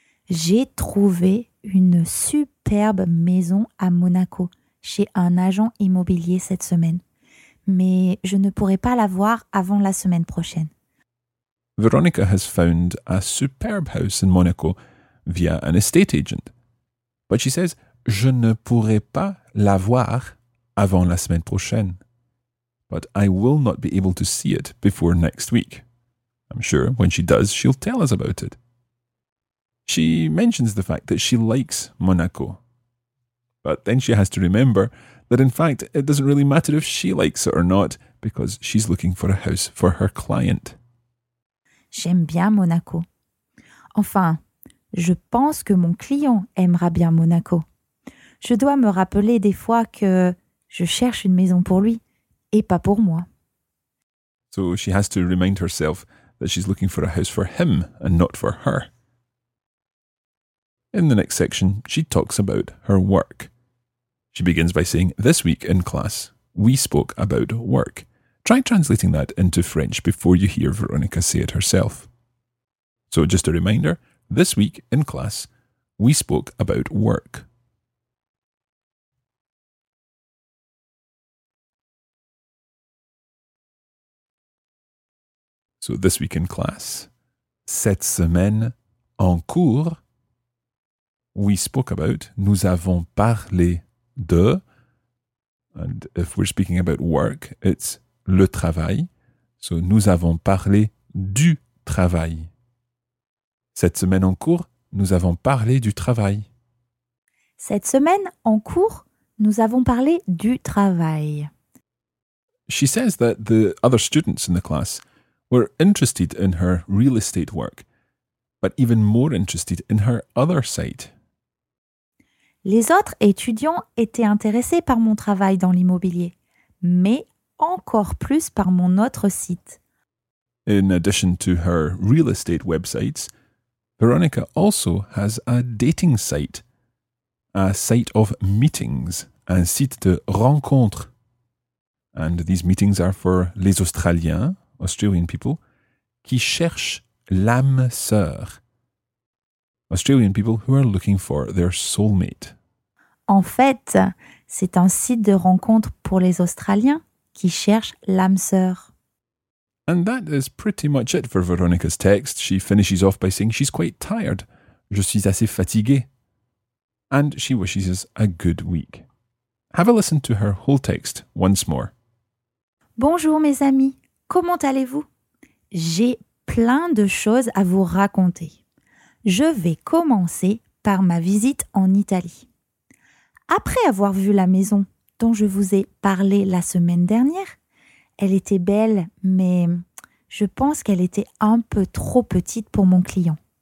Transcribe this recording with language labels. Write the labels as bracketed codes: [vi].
[fr] J'ai trouvé une superbe maison à Monaco chez un agent immobilier cette semaine. Mais je ne pourrai pas la voir avant la semaine prochaine. [en] Veronica has found a superb house in Monaco via an estate agent. But she says, [fr] je ne pourrai pas la voir avant la semaine prochaine. [en] But I will not be able to see it before next week. I'm sure when she does, she'll tell us about it. She mentions the fact that she likes Monaco. But then she has to remember that in fact, it doesn't really matter if she likes it or not because she's looking for a house for her client. [fr] J'aime bien Monaco. Enfin, je pense que mon client aimera bien Monaco. Je dois me rappeler des fois que je cherche une maison pour lui. Et pas pour moi. [en] So she has to remind herself that she's looking for a house for him and not for her. In the next section, she talks about her work. She begins by saying, this week in class, we spoke about work. Try translating that into French before you hear Veronica say it herself. So just a reminder, this week in class, we spoke about work. So this week in class, [fr] cette semaine en cours, [en] we spoke about, [fr] nous avons parlé de, [en] and if we're speaking about work, it's [fr] le travail. [en] So [fr] nous avons parlé du travail. Cette semaine en cours, nous avons parlé du travail. Cette semaine en cours, nous avons parlé du travail. [en] She says that the other students in the class were interested in her real estate work, but even more interested in her other site. [fr] Les autres étudiants étaient intéressés par mon travail dans l'immobilier, mais encore plus par mon autre site. [en] In addition to her real estate websites, Veronica also has a dating site, a site of meetings, [fr] un site de rencontres. [en] And these meetings are for [fr] les Australiens, [en] Australian people, [fr] qui cherchent l'âme sœur. [en] Australian people who are looking for their soulmate. [fr] En fait, c'est un site de rencontres pour les Australiens qui cherchent l'âme sœur. [en] And that is pretty much it for Veronica's text. She finishes off by saying she's quite tired. [fr] Je suis assez fatiguée. [en] And she wishes us a good week. Have a listen to her whole text once more. [fr] Bonjour mes amis, comment allez-vous? J'ai plein de choses à vous raconter. Je vais commencer par ma visite en Italie. Après avoir vu la maison dont je vous ai parlé la semaine dernière, elle était belle, mais je pense qu'elle était un peu trop petite pour mon client.